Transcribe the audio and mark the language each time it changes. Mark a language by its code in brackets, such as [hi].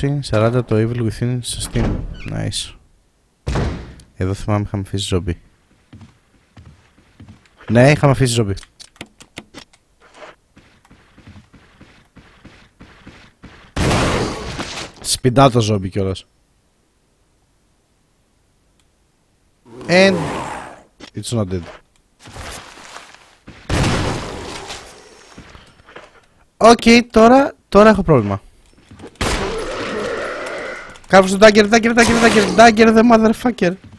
[el] 20-40 το Evil Within στο Steam. [en] Nice. [el] Εδώ θυμάμαι είχαμε αφήσει ζόμπι. Ναι, είχαμε αφήσει ζόμπι. Σπιντά το ζόμπι κιόλας. [en] And... It's not dead. [el] Okay, τώρα έχω πρόβλημα. Κάρφω στο dagger, [en] the motherfucker.